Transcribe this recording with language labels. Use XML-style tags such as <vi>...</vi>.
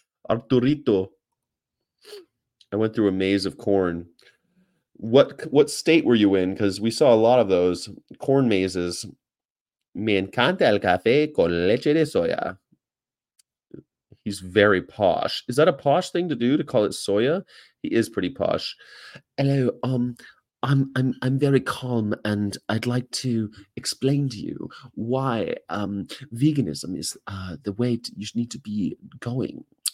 <en>Arturito. I went through a maze of corn. What state were you in? Because we saw a lot of those corn mazes.</en> <es>Me encanta el café con leche de soya.</es> <en>He's very posh. Is that a posh thing to do, to call it soya? He is pretty posh. Hello, I'm very calm, and I'd like to explain to you why veganism is the way you need to be going.</en>